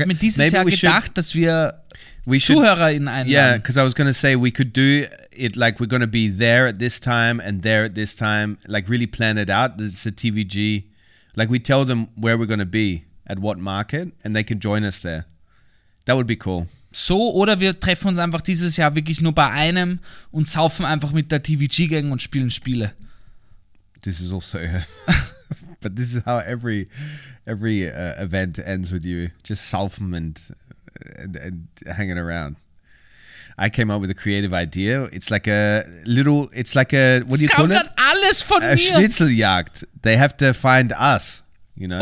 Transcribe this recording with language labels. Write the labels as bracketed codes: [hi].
[de] Ich habe mir dieses Maybe Jahr gedacht, should, dass wir ZuhörerInnen einladen. [en] Yeah, because I was going to say, we could do it like we're going to be there at this time and there at this time. Like really plan it out. It's a TVG. Like we tell them where we're going to be, at what market, and they can join us there. That would be cool. [de] So, oder wir treffen uns einfach dieses Jahr wirklich nur bei einem und saufen einfach mit der TVG-Gang und spielen Spiele. [en] This is also... But this is how every event ends with you. Just saufen and hanging around. I came up with a creative idea. It's like a little... It's like a... What do you call it? [de] Alles von [en] mir. A Schnitzeljagd. They have to find us. You know?